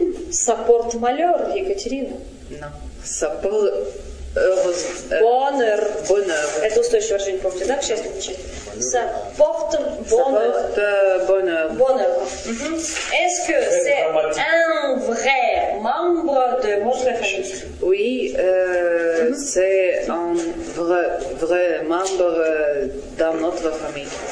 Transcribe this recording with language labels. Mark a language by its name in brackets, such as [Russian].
[French] Ça porte malheur, Екатерина? Non. Ça porte... Bonheur. Bonheur. [Russian] Это устойчивое выражение, помните, да, к счастью, к счастью? [French] Ça porte bonheur. Ça porte bonheur. Bonheur. Est-ce que c'est un vrai membre de votre famille? Oui, c'est un vrai membre dans notre famille.